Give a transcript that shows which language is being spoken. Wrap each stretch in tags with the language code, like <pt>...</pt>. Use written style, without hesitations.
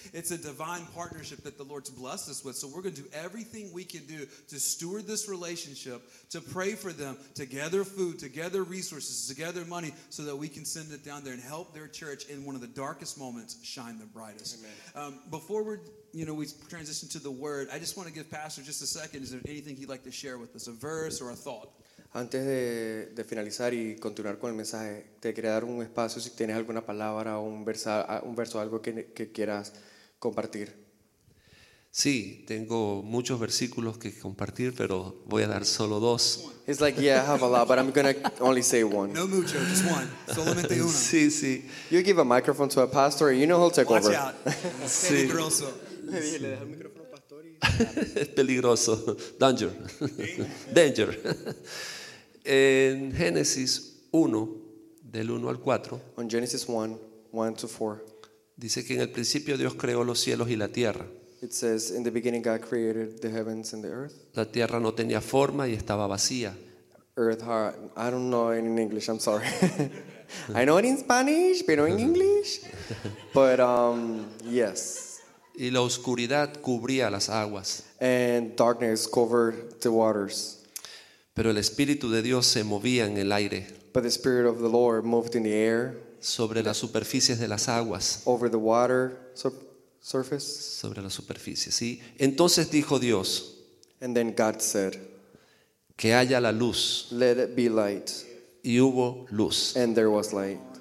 <en>It's a divine partnership that the Lord's blessed us with. So we're going to do everything we can do to steward this relationship, to pray for them, to gather food, to gather resources, to gather money, so that we can send it down there and help their church in one of the darkest moments shine the brightest. Amen. Before we're, you know, we transition to the word, I just want to give Pastor just a second. Is there anything he'd like to share with us, a verse or a thought?</en> <es>Antes de finalizar y continuar con el mensaje, te quería dar un espacio si tienes alguna palabra o un verso, algo que quieras compartir. Sí, tengo muchos versículos que compartir, pero voy a dar solo dos.</es> <en>It's like, yeah, I have a lot, but I'm going to only say one.</en> <es>No mucho,</es> <en>just one.</en> <es>Solamente uno. Sí, sí.</es> <en>You give a microphone to a pastor, you know he'll take Watch over. Watch out.</en> <es>Sí. Peligroso. Sí. Es peligroso.</es> <en>Danger. Danger.</en> <es>En Génesis 1, del 1 al 4.</es> <en>On Genesis 1, 1 to 4.</en> <es>Dice que en el principio Dios creó los cielos y la tierra.</es> <en>It says, in the beginning God created the heavens and the earth.</en> <es>La tierra no tenía forma y estaba vacía.</es> <en>Earth, heart, I don't know in English, I'm sorry. I know it in Spanish, pero in English. But, yes.</en> <es>Y la oscuridad cubría las aguas.</es> <en>And darkness covered the waters.</en> <es>Pero el Espíritu de Dios se movía en el aire.</es> <en>But the Spirit of the Lord moved in the air.</en> <es>Sobre las superficies de las aguas.</es> <en>Over the water surface.</en> <es>Sobre las superficies, sí. Entonces dijo Dios.</es> <en>And then God said.</en> <es>Que haya la luz.</es> <en>Let it be light.</en> <es>Y hubo luz.</es> <en>And there was light.</en>